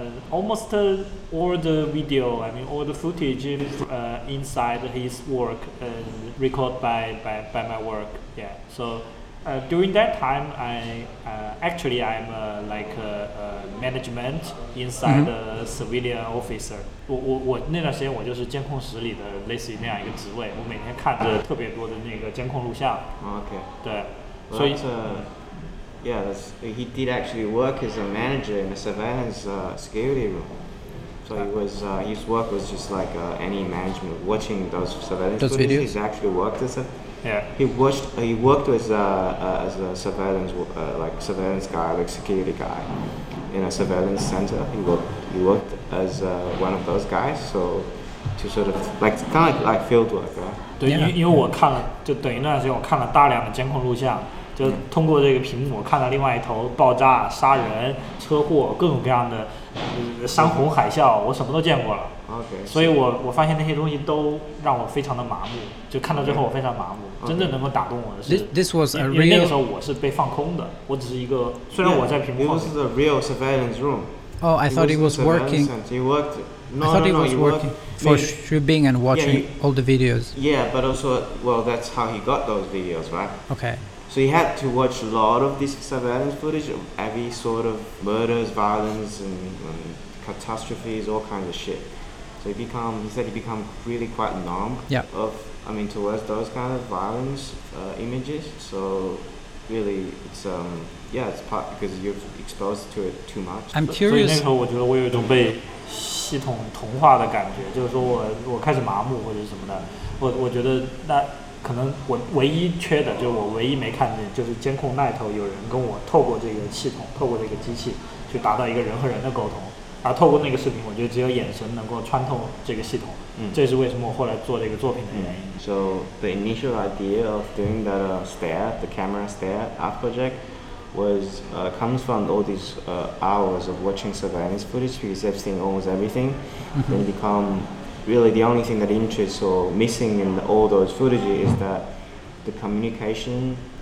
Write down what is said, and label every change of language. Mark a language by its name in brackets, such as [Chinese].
[English] Almost all the video, I mean all the footage inside his work recorded by my work. Yeah. So during that time I'm a management inside the civilian officer. [Chinese] 我那段时间我就是监控室里的类似于那样一个职位，我每天看着特别多的那个监控录像。 [English] Okay. [Chinese] 对。 [English] Well, [Chinese] 所以 [English] he did actually work as a manager in a surveillance security room. So he was his work was just like any management watching those surveillance those videos. He's actually worked as a Yeah. He worked as a surveillance surveillance guy, like security guy in a surveillance center. He worked as one of those guys, so to sort of like kind of like field work, right? Yeah. [Chinese] 因为我看了，就等于那段时间我看了大量的监控录像，就通过这个屏幕看到另外一头爆炸、杀人、车祸，各种各样的山洪海啸，我什么都见过了。 [English] Okay, [Chinese] 所以我发现那些东西都让我非常的麻木，就看到最后我非常麻木。真正能够打动我的是 [English] this was a real... [Chinese] 因为那个时候我是被放空的，我只是一个，虽然我在屏幕后面。 [English] Yeah, it was a real surveillance room. Oh, I thought it was working. He worked. No, I thought no, it was working for Xu Bing and watching all the videos. Yeah, but also, well, that's how he got those videos, right? Okay. So he had to watch a lot of this surveillance footage of every sort of murders, violence, and catastrophes, all kinds of shit. So he said he became really quite numb. Yep. Towards those kind of violence images. So really, it's it's part because you've exposed to it too much. I'm curious. [Chinese] 所以那时候我觉得我有一种被系统同化的感觉，就是说我开始麻木或者什么的。我觉得那可能我唯一缺的就是我唯一没看见就是监控那头有人跟我透过这个系统，透过这个机器去达到一个人和人的沟通。而透过那个视频，我觉得只有眼神能够穿透这个系统。这是为什么我后来做这个作品的原因。 [English] So the initial idea of doing that the camera stare art project, comes from all these hours of watching surveillance footage because I've seen almost everything. Then become really the only thing that interests or missing in all those footage is that the communication